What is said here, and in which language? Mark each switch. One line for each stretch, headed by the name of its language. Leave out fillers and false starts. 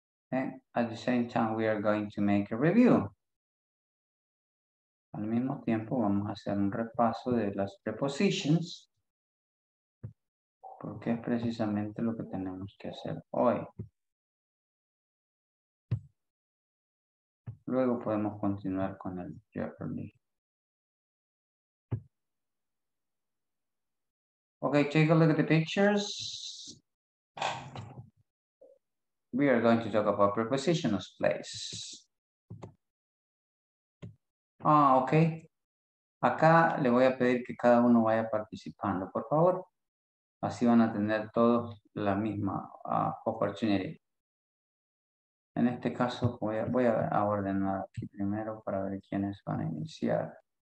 English: And at the same time, we are going to make a review.
Spanish: Al mismo tiempo, vamos a hacer un repaso de las prepositions, porque es precisamente lo que tenemos que hacer hoy. Luego podemos continuar con el journey.
English: Okay, take a look at the pictures. We are going to talk about prepositions, place. Ah, okay.
Spanish: Acá le voy a pedir que cada uno vaya participando, por favor. Así van a tener todos la misma opportunity. En este caso, voy a ordenar aquí primero para ver quiénes van a iniciar.